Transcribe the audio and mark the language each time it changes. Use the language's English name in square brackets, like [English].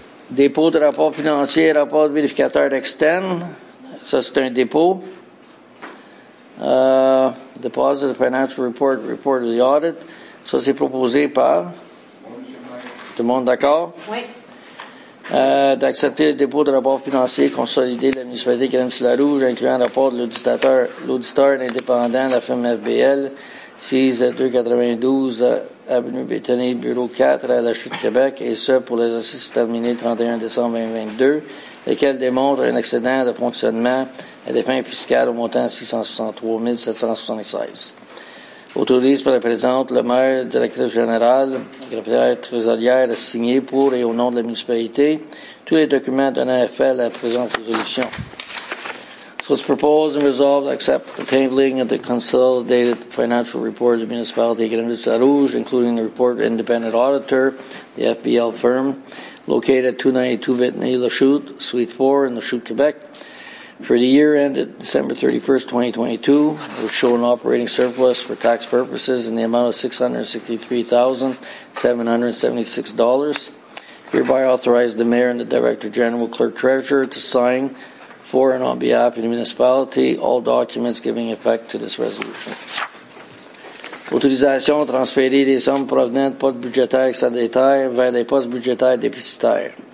[French] Dépôt de rapport financier, rapport de vérificateur externe. Ça, c'est un dépôt. [English] Deposit of financial report, report of the audit. [French] Ça, c'est proposé par? Tout le monde d'accord? Oui. D'accepter le dépôt de rapport financier consolidé de la municipalité de Grimsey-la-Rouge, incluant le rapport de l'auditeur, l'auditeur indépendant de la firme FBL, 6292 Avenue Bétonné, bureau 4 à la Chute de Québec, et ce, pour les exercices terminés le 31 décembre 2022. Lesquels démontrent un excédent de fonctionnement à des fins fiscales au montant de 663 776. Autorise par la présente le maire, directrice générale, greffière trésorière à signer pour et au nom de la municipalité tous les documents donnant effet à la présente résolution. [English] So it's proposed and resolved to accept the tabling of the consolidated financial report of the municipality of Grimsey-la-Rouge, including the report of independent auditor, the FBL firm, located at 292 Vitney-la-Chute, Suite 4 in Lachute, Quebec, for the year ended December 31st, 2022, which show an operating surplus for tax purposes in the amount of $663,776. Hereby authorize the Mayor and the Director General, Clerk Treasurer, to sign for and on behalf of the municipality all documents giving effect to this resolution. [French] Autorisation de transférer des sommes provenant de postes budgétaires excédentaires vers les postes budgétaires déficitaires.